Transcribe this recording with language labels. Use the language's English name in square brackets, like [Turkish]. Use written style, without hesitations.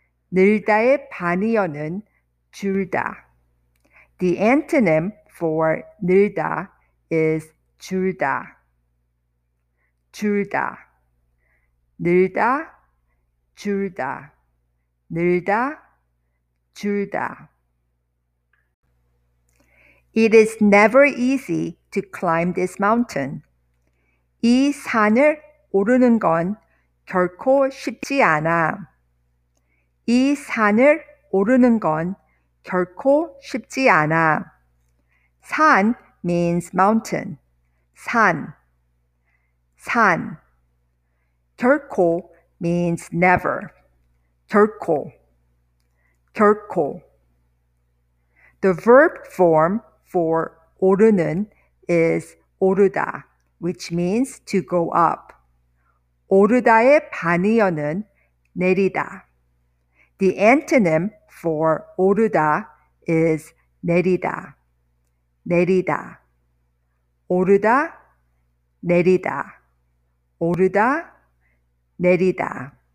[Korean] 늘다의 반의어는 줄다. [English] The antonym for 늘다 is [Korean] 줄다. [English] 줄다. [Korean] 늘다, 줄다. 늘다, 줄다. [English] It is never easy to climb this mountain. [Korean] 이 산을 오르는 건 결코 쉽지 않아. 이 산을 오르는 건 결코 쉽지 않아. [English] 산 means mountain. 산. 산. 결코 means never. 결코. 결코. The verb form for 오르는 is 오르다, which means to go up. [Korean] 오르다의 반의어는 내리다. [English] The antonym for 오르다 is 내리다. 내리다. [Korean] 오르다, 내리다. 오르다, 내리다.